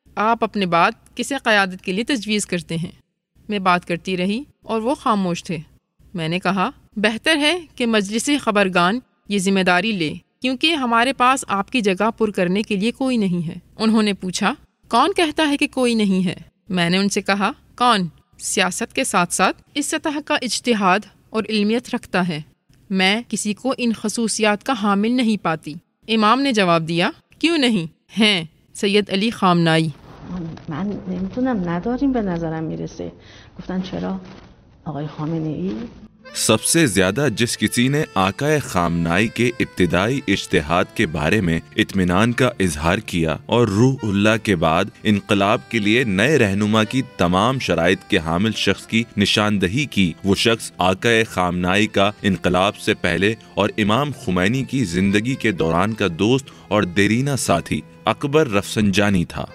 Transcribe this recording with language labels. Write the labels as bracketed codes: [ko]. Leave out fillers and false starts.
[ur] آپ اپنے بات کسے قیادت کے لیے تجویز کرتے ہیں؟ میں بات کرتی رہی اور وہ خاموش تھے۔ میں نے کہا، بہتر ہے کہ مجلس خبرگان یہ ذمہ داری لے، کیونکہ ہمارے پاس آپ کی جگہ پر کرنے کے لیے کوئی نہیں ہے۔ انہوں نے پوچھا، کون کہتا ہے کہ کوئی نہیں ہے؟ میں نے ان سے کہا، کون سیاست کے ساتھ ساتھ اس سطح کا اجتہاد اور علمیت رکھتا ہے، میں کسی کو ان خصوصیات کا حامل نہیں پاتی۔ امام نے جواب دیا، کیوں نہیں؟ ہیں سید علی خامنائی۔ [fa] من نمیتونم، نداریم به نظرم میرسه۔ گفتن چرا؟ آقای خامنه‌ای؟ [ur] سب سے زیادہ جس کسی نے آقا خامنائی کے ابتدائی اجتہاد کے بارے میں اطمینان کا اظہار کیا اور روح اللہ کے بعد انقلاب کے لیے نئے رہنما کی تمام شرائط کے حامل شخص کی نشاندہی کی، وہ شخص آقا خامنائی کا انقلاب سے پہلے اور امام خمینی کی زندگی کے دوران کا دوست اور دیرینہ ساتھی اکبر رفسنجانی تھا۔